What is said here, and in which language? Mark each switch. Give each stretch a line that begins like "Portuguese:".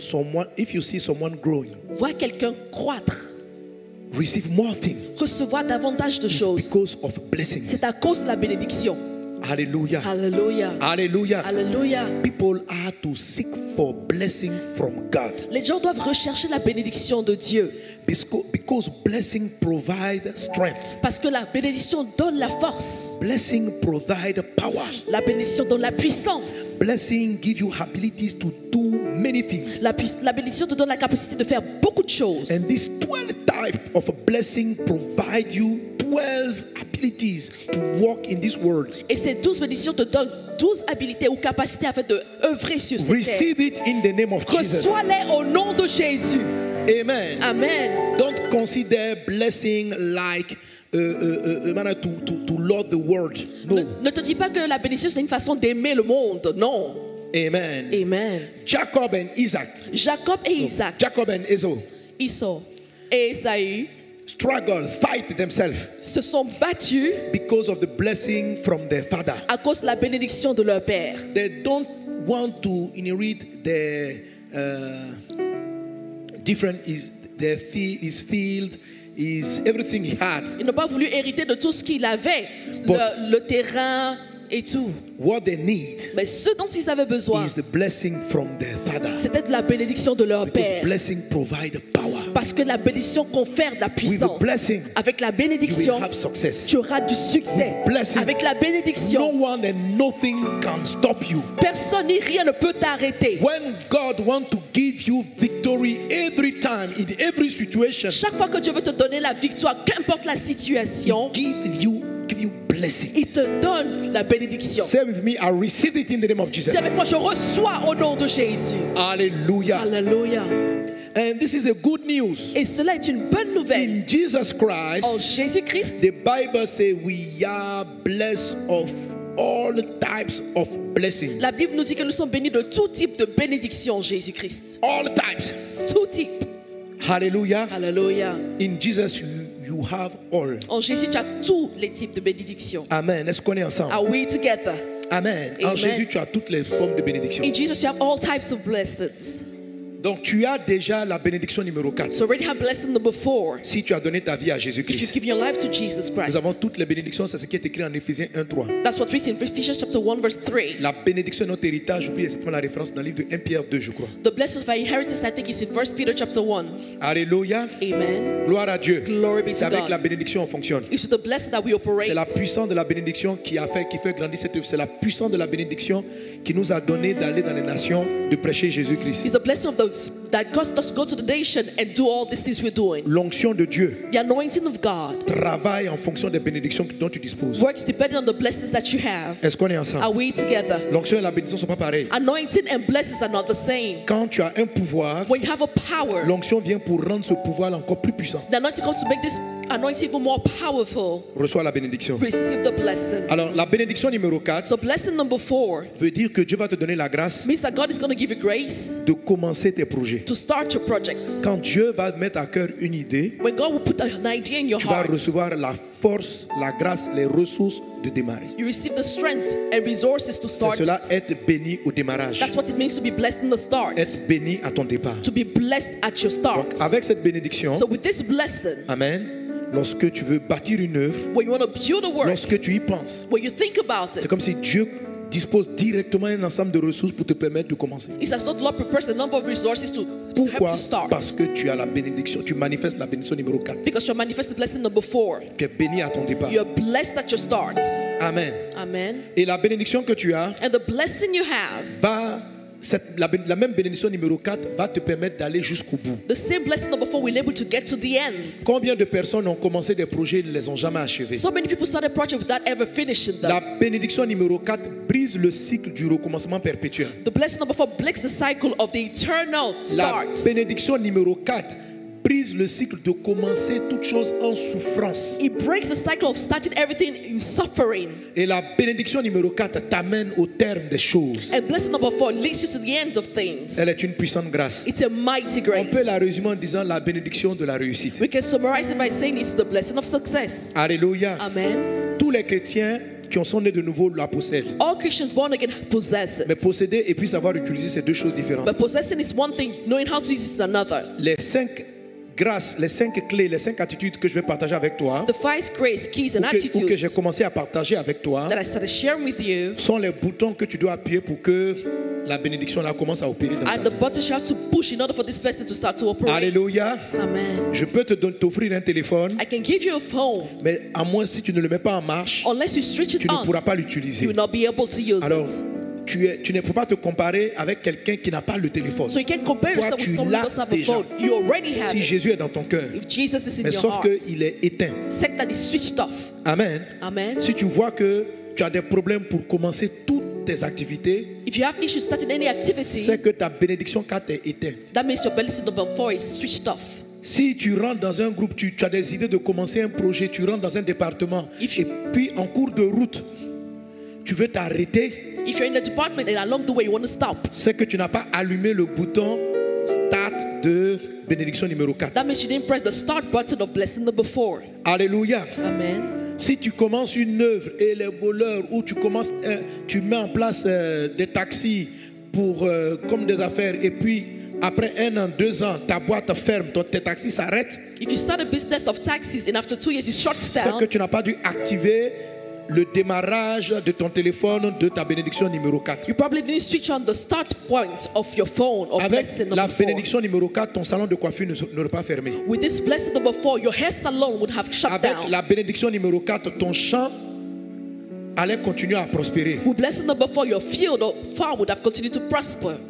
English: someone, if you see someone growing,
French: vois quelqu'un croître,
English: receive more things,
French: recevoir davantage de choses,
English: because of blessings.
French: C'est à cause de la bénédiction.
English: Hallelujah.
French: Hallelujah.
English: Hallelujah.
French: Hallelujah.
English: People are to seek for blessing from God.
French: Les gens doivent rechercher la bénédiction de Dieu.
English: Because blessing provides strength.
French: Parce que la bénédiction donne la force.
English: Blessing provides power.
French: La bénédiction donne la puissance.
English: Blessing gives you abilities to do many things.
French: La bénédiction te donne la capacité de faire beaucoup de choses.
English: And these 12 types of blessing provide you 12 abilities to walk in this world.
French: Et ces 12 bénédictions te donnent 12 habiletés ou capacités afin de œuvrer sur cette terre.
English: Receive it in the name of Jesus.
French: Reçois-les au nom de Jésus.
English: Amen.
French: Amen.
English: Don't consider blessing like to love the world. No.
French: Ne te dis pas que la bénédiction c'est une façon d'aimer le monde. Non.
English: Amen.
French: Amen.
English: Jacob and Isaac.
French: Jacob et Isaac.
English: No. Jacob and Esau.
French: Esau et Esaü.
English: Struggle, fight themselves.
French: Se sont battus.
English: Because of the blessing from their father.
French: À cause de la bénédiction de leur père.
English: They don't want to inherit their different is their field, his field is everything he had.
French: Ils n'ont pas voulu hériter de tout ce qu'il avait, le terrain et tout.
English: What they need.
French: Mais ce dont ils avaient besoin.
English: Is the blessing from their father.
French: C'était de la bénédiction de leur
English: Because
French: père.
English: Because blessing provide power.
French: Parce que la bénédiction confère de la puissance.
English: With the blessing,
French: avec la bénédiction,
English: you will have success.
French: Tu auras du succès.
English: With blessing,
French: avec la bénédiction,
English: no one and nothing can stop you.
French: Personne ni rien ne peut t'arrêter.
English: When God wants to give you victory every time in every situation.
French: Chaque fois que Dieu veut te donner la victoire, qu'importe la situation.
English: Give you blessings.
French: Il te donne la bénédiction.
English: Say with me, I receive it in the name of Jesus.
French: Dis avec moi, je reçois au nom de Jésus.
English: Alléluia.
French: Alléluia.
English: And this is a good news.
French: Et cela est une bonne nouvelle.
English: In Jesus Christ.
French: En Jésus-Christ.
English: The Bible says we are blessed of all types of blessings.
French: La Bible nous dit que nous sommes bénis de tout type de bénédiction en Jésus-Christ.
English: All types.
French: Tout type.
English: Hallelujah.
French: Hallelujah.
English: In Jesus you have all.
French: En Jésus tu as tous les types de bénédiction. Amen. Est-ce qu'on est ensemble?
English: Are we together?
French: Amen.
English: Amen.
French: En Jésus tu as toutes les formes de bénédiction.
English: In Jesus you have all types of blessings.
French: Donc tu as déjà la bénédiction numéro 4.
English: So already have blessing number 4.
French: Si tu as donné ta vie à Jésus-Christ.
English: If you give your life to Jesus Christ.
French: Nous avons toutes les bénédictions, c'est ce qui est écrit en Éphésiens 1:3.
English: That's what written in Ephesians chapter 1 verse 3.
French: La bénédiction est notre héritage, j'oublie exactement la référence dans le livre de 1 Pierre 2, je crois.
English: The blessing of our inheritance I think is in 1 Peter chapter 1.
French: Alléluia.
English: Amen.
French: Gloire à Dieu.
English: Glory be to God.
French: C'est avec la bénédiction on fonctionne.
English: It's the blessing that we operate.
French: C'est la puissance de la bénédiction qui fait grandir cette œuvre, c'est la puissance de la bénédiction qui nous a donné d'aller dans les nations de prêcher Jésus-Christ.
English: It's the blessing of that caused us to go to the nation and do all these things we're doing.
French: L'onction de Dieu.
English: The anointing of God.
French: Travaille en fonction des bénédictions dont tu disposes.
English: Works depending on the blessings that you have.
French: Est-ce qu'on est ensemble?
English: Are we together?
French: L'onction et la bénédiction sont pas pareilles.
English: Anointing and blessings are not the same.
French: Quand tu as un pouvoir.
English: When you have a power.
French: L'onction vient pour rendre ce pouvoir encore plus puissant.
English: The anointing comes to make this anointing even more powerful.
French: Reçois la bénédiction.
English: Receive the blessing.
French: Alors la bénédiction numéro 4.
English: So blessing number 4.
French: Veut dire que Dieu va te donner la grâce.
English: Means that God is going to give you grace.
French: De commencer tes projets. projet.
English: To start your project.
French: Quand Dieu va mettre à cœur une idée,
English: when God will put an idea in your
French: tu
English: heart,
French: vas recevoir la force, la grâce, les ressources de démarrer.
English: You receive the strength and resources to start.
French: C'est cela être béni au démarrage.
English: That's what it means to be blessed in the start.
French: Être béni à ton départ.
English: To be blessed at your start.
French: Donc, avec cette bénédiction,
English: so with this blessing,
French: amen. Lorsque tu veux bâtir une œuvre,
English: when you want to build a work,
French: lorsque tu y penses,
English: when you think about it,
French: c'est comme si Dieu dispose directement un ensemble de ressources pour te permettre de commencer.
English: It says, Lord prepares a number of resources to
French: pourquoi?
English: Help you start.
French: Parce que tu as la bénédiction, tu manifestes la bénédiction numéro 4.
English: Because you manifest the blessing number 4.
French: Tu es béni à ton départ.
English: You are blessed at your start.
French: Amen.
English: Amen.
French: Et la bénédiction que tu as,
English: and the blessing you have,
French: va cette, la même bénédiction numéro 4 va te permettre d'aller jusqu'au bout.
English: The same blessing number 4 will able to get to the end.
French: Combien de personnes ont commencé des projets et ne les ont jamais achevés?
English: So many people started projects without ever finishing them.
French: La bénédiction numéro 4 brise le cycle du recommencement perpétuel.
English: The blessing number 4 breaks the cycle of the eternal start.
French: La bénédiction numéro 4 brise le cycle de commencer toute chose en souffrance.
English: It breaks the cycle of starting everything in suffering.
French: Et la bénédiction numéro 4 t'amène au terme des choses.
English: And blessing number 4 leads you to the end of things.
French: Elle est une puissante grâce.
English: It's a mighty grace.
French: On peut la résumer en disant la bénédiction de la réussite.
English: We can summarize it by saying it's the blessing of success.
French: Alléluia.
English: Amen.
French: Tous les chrétiens qui sont nés de nouveau la possèdent.
English: All Christians born again possess it.
French: Mais posséder et puis savoir utiliser, c'est deux choses différentes.
English: But possessing is one thing, knowing how to use it is another.
French: Les cinq grâce, les cinq clés, les cinq attitudes que je vais partager avec toi,
English: the five grace, keys and attitudes,
French: ou que j'ai commencé à partager avec toi,
English: that I started sharing with you,
French: sont les boutons que tu dois appuyer pour que la bénédiction là commence à opérer dans ta
English: vie. The buttons you have to push in order for this person to start to operate.
French: Alléluia.
English: Amen.
French: Je peux te donner, t'offrir un téléphone.
English: I can give you a phone.
French: Mais à moins si tu ne le mets pas en marche,
English: unless you stretch it
French: tu ne pourras pas l'utiliser.
English: You will not be able to use
French: alors,
English: it.
French: Tu ne peux pas te comparer avec quelqu'un qui n'a pas le téléphone.
English: So you can compare
French: toi, tu l'as déjà.
English: You already have
French: si
English: it.
French: Jésus est dans ton cœur, mais sauf qu'il est éteint.
English: Except that it's switched off.
French: Amen.
English: Amen.
French: Si tu vois que tu as des problèmes pour commencer toutes tes activités,
English: if you have issues starting any activity,
French: c'est que ta bénédiction 4 est éteinte.
English: That means your blessing number 4 is switched off.
French: Si tu rentres dans un groupe, tu as des idées de commencer un projet, tu rentres dans un département, et puis en cours de route, tu veux t'arrêter.
English: If you're in the department and along the way you want to stop,
French: c'est que tu n'as pas allumé le bouton start de bénédiction numéro 4.
English: That means you didn't press the start button of blessing number 4.
French: Alléluia.
English: Amen.
French: Si tu commences une œuvre et les voleurs ou tu commences, tu mets en place des taxis pour comme des affaires et puis après un an, deux ans, ta boîte ferme, tes taxis s'arrêtent.
English: If you start a business of taxis and after 2 years it shuts down,
French: c'est que tu n'as pas dû activer le démarrage de ton téléphone de ta bénédiction numéro 4.
English: You probably didn't switch on the start point of your phone or
French: avec
English: blessing number
French: la bénédiction 4. Numéro 4, ton salon de coiffure n'aurait pas fermé.
English: With this blessing number 4, your hair salon would have shut
French: avec
English: down.
French: La bénédiction numéro 4, ton champ allait continuer à prospérer.
English: With blessing number 4, your field or farm would have continued to prosper.